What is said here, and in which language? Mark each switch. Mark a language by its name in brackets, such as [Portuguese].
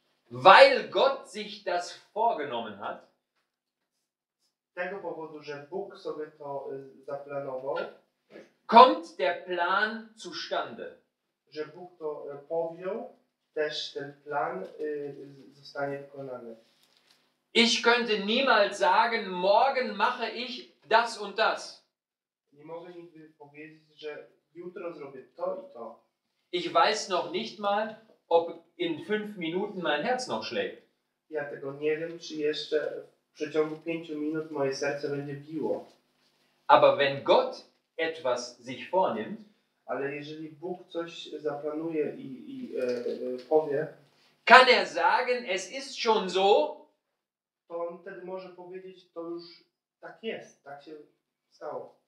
[German] Weil Gott sich das vorgenommen hat, [Polish] tego powodu, że Bóg sobie to zaplanował, [German] kommt der Plan zustande. [Polish] Że Bóg to powiął, też ten plan zostanie wykonany. [German] Ich könnte niemals sagen, morgen mache ich das und das. [Polish] Nie mogę nigdy powiedzieć, że jutro zrobię to i to. [German] Ich weiß noch nicht mal, ob in 5 Minuten mein Herz noch schlägt. [Polish] Ja tego nie wiem, czy jeszcze w przeciągu 5 minut moje serce będzie biło. [German] Aber wenn Gott etwas sich vornimmt, [Polish] ale jeżeli Bóg coś zaplanuje powie, [German] kann er sagen, es ist schon so, [Polish] to on wtedy może powiedzieć, to już tak jest, tak się stało.